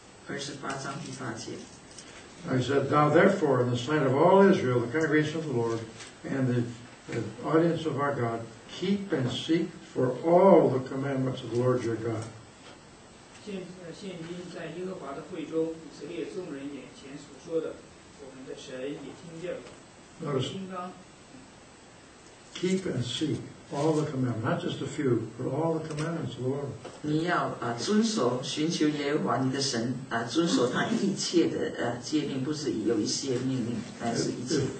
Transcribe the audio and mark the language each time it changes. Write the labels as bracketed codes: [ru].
[zh] 28:8。 [en] I said, Thou therefore, in the sight of all Israel, the congregation of the Lord, and the audience of our God, keep and seek for all the commandments of the Lord your God. [zh] 现在因在耶和华的会中，以色列众人眼前所说的，我们的神也听见了。 [en] Notice, keep and seek all the commandments, not just a few, but all the commandments of the Lord. [zh] 你要遵守，寻求耶和华你的神，遵守他一切的诫命，不是有一些命令，乃是一切。 [en] If